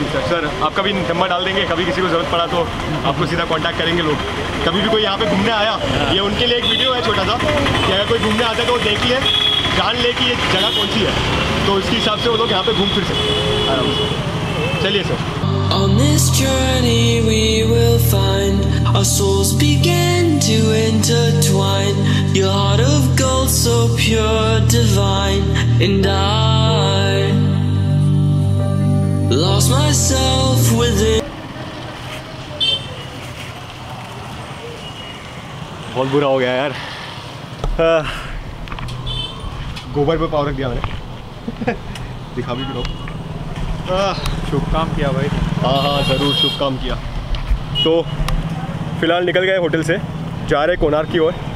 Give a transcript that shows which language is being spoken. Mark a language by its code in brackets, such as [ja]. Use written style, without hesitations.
[hi] Sir, आपका भी number डाल देंगे, कभी किसी को जरूरत पड़ा तो आपको सीधा कॉन्टैक्ट करेंगे लोग। कभी भी कोई यहाँ पे घूमने आया, ये उनके लिए एक वीडियो है छोटा सा, कि अगर कोई घूमने आता है तो वो देख ले, जान ले कि ये जगह कौन सी है, तो उसके हिसाब से वो लोग यहाँ पे घूम फिर सकते हैं आराम से। चलिए sir. [en] On this journey we will find our souls begin to intertwine, your heart of gold so pure divine, and I lost myself within. [hi] बहुत बुरा हो गया यार, गोबर पे पाव रख दिया मैंने, दिखा भी करो। शुभ काम किया भाई। हाँ हाँ ज़रूर, शुभ काम किया। तो फिलहाल निकल गए होटल से, जा रहे कोणार्क की ओर।